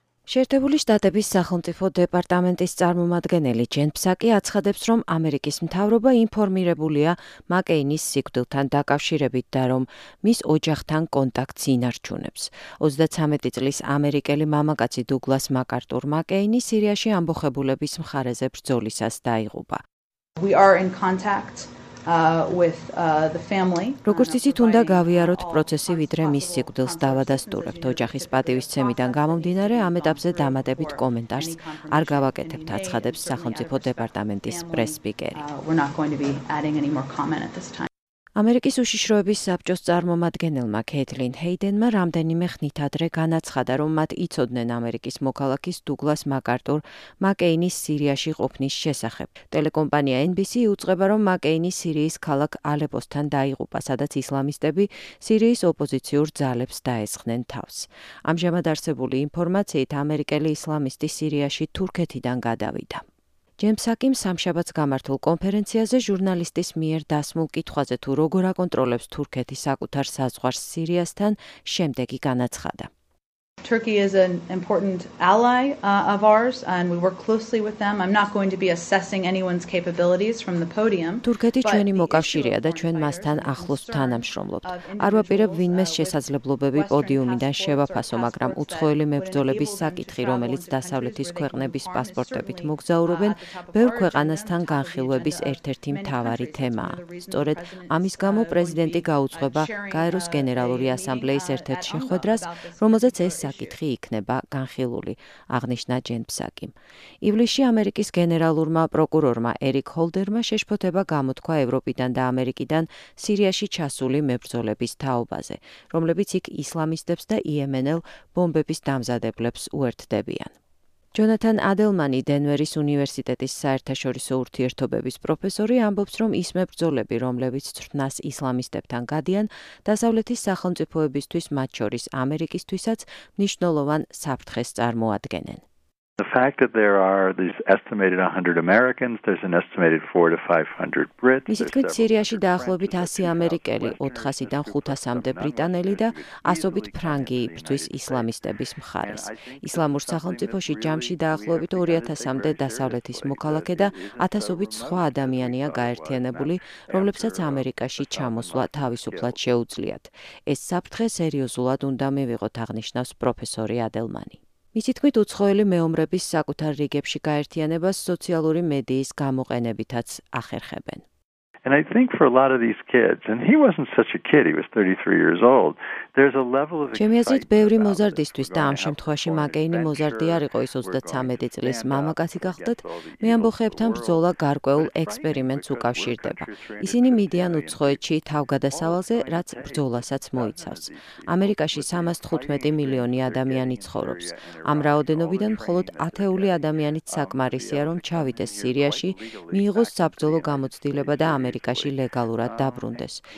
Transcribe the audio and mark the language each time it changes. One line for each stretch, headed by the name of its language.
Georgian: შეერთებული შტატების სახელმწიფო დეპარტამენტის წარმომადგენელი ჯენ ფსაკი აცხადებს, რომ ამერიკის მთავრობა ინფორმირებულია მაკეინის სიკვდილთან დაკავშირებით და რომ მის ოჯახთან კონტაქტს ინარჩუნებს. 33 წლის ამერიკელი მამაკაცი დუგლას მაკარტურ მაკეინი სირიაში ამბოხებულების მხარეზე ბრძოლისას დაიღუპა.
English: We are in contact with the family.
Georgian: როგორც ისიც უნდა გავიაროთ პროცესი, ვიდრე მის სიკვდილს დავადასტურებთ. ოჯახის პატივისცემიდან გამომდინარე ამ ეტაპზე დამატებით კომენტარს არ გავაკეთებთ, აცხადებს სახელმწიფო დეპარტამენტის პრესსპიკერი. ამერიკის უშიშროების საბჭოს წარმომადგენელმა ქეთლინ ჰეიდენმა რამდენიმე ხნით ადრე განაცხადა, რომ მათ იცოდნენ ამერიკის მოქალაქის დუგლას მაკარტურ მაკეინის სირიაში ყოფნის შესახებ. ტელეკომპანია NBC უწყება, რომ მაკეინი სირიის ქალაქ ალეპოსთან დაიღუპა, სადაც ისლამისტები სირიის ოპოზიციურ ძალებს დაესხნენ თავს. ამჟამად არსებული ინფორმაციით, ამერიკელი ისლამისტი სირიაში თურქეთიდან გადავიდა. ჯემსაკიმ სამშაბათს გამართულ კონფერენციაზე ჟურნალისტის მიერ დასმულ კითხვაზე, თუ როგორ აკონტროლებს თურქეთი საკუთარ საზღვარს სირიასთან, შემდეგი განაცხადა.
English: Turkey is an important ally of ours and we work closely with them. I'm not going to be assessing anyone's capabilities from the podium.
Georgian: Turketi ჩვენი მოკავშირეა და ჩვენ მასთან ახლოს თანამშრომლობთ. არ ვაპირებ ვინმეს შესაძლებლობები პოდიუმიდან შევაფასო, მაგრამ უცხოელი მებრძოლების საკითხი, რომელიც დასავლეთის ქვეყნების პასპორტებით მოგზაურობენ, ბევრ ქვეყანასთან განხილვების ერთ-ერთი მთავარი თემაა. სწორედ ამის გამო პრეზიდენტი გაუძღვება გაეროს გენერალური ასამბლეის ერთ-ერთ შეხვედრას, რომელზეც საკითხი იქნება განხილული, აღნიშნა ჯენ ფსაკი. ივლისში ამერიკის გენერალურმა პროკურორმა ერიკ ჰოლდერმა შეშფოთება გამოთქვა ევროპიდან და ამერიკიდან სირიაში ჩასული მებრძოლების თაობაზე, რომლებიც იქ ისლამისტებს და იემენელ ბომბების დამზადებლებს უერთდებიან. ჯონათან ადელმანი, დენვერის უნივერსიტეტის საერთაშორისო ურთიერთობების პროფესორი, ამბობს, რომ ის მებრძოლები, რომლებიც ცრნას ისლამისტებთან გადიან, დასავლეთის სახელმწიფოებისთვის, მათ შორის ამერიკისთვისაც, მნიშვნელოვან საფრთხეს წარმოადგენენ.
English: The fact that there are these estimated 100 Americans, there's an estimated 400 to 500 Brits.
Georgian: ისეთ სირიაში დაახლოებით 100 ამერიკელი, 400-დან 500-მდე ბრიტანელი და ასობით ფრანგი იბრძვის ისლამისტების მხარეს. ისლამურ სახელმწიფოში ჯამში დაახლოებით 2000-მდე დასავლეთის მოქალაქე და 1000-ობით სხვა ადამიანია გაერთიანებული, რომლებსაც ამერიკაში ჩამოსვლა თავისუფლად შეუძლიათ. ეს საფრთხე სერიოზულად უნდა მივიღოთ, აღნიშნავს პროფესორი ადელმანი. მისი თქმით, უცხოელი მეომრების საკუთარ რიგებში გაერთიანებას სოციალური მედიის გამოყენებითაც ახერხებენ.
English: And I think for a lot of these kids, and he wasn't such a kid, he was 33 years old, there's a level of
Georgian: ჩემიაზრით ბევრი მოზარდისთვის და ამ შემთხვევაში მაგეინი მოზარდი არ იყო, ის 33 წლის მამაკაცი გახლდათ, მე ამბოხეებთან ბრძოლა გარკვეულ ექსპერიმენტს უკავშირდება. ისინი მიდიან უცხოეთში თავგადასავალზე, რაც ბრძოლასაც მოიცავს. ამერიკაში 315 მილიონი ადამიანი ცხოვრობს. ამ რაოდენობიდან მხოლოდ 10 ადამიანით საკმარისია, რომ ჩავიდეს სირიაში, მიიღოს საბრძოლო გამოცდილება და ამერიკაში ლეგალურად დაბრუნდეს.